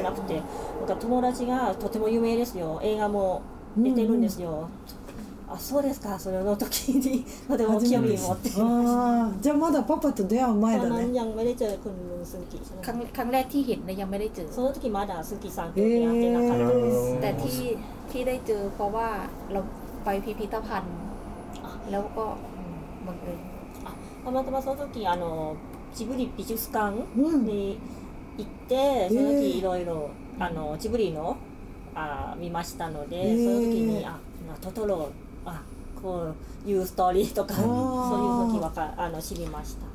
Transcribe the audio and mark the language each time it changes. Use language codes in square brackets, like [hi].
[ja] なんか友達がとても有名ですよ、映画も出てるんですよ、あ、そうですか、それの時にとても興味を持っています。じゃあまだパパと出会う前だね。 [th] ยังไม่ได้เจอคุณสุกิใช่ครั้งครั้งแรกที่เห็นนะยังไม่ได้เจอ [ja] その時まだสุกิさんと出会ってなかったです。 [th] แต่ที่ได้เจอเพราะว่าเราไปพิพิธภัณฑ์แล้วก็บังเอิญ [ja] たまたまその時ジブリ美術館に行って、その時いろいろジブリの見ましたので、その時にトトロこういうストーリーとかそういう時は知りました。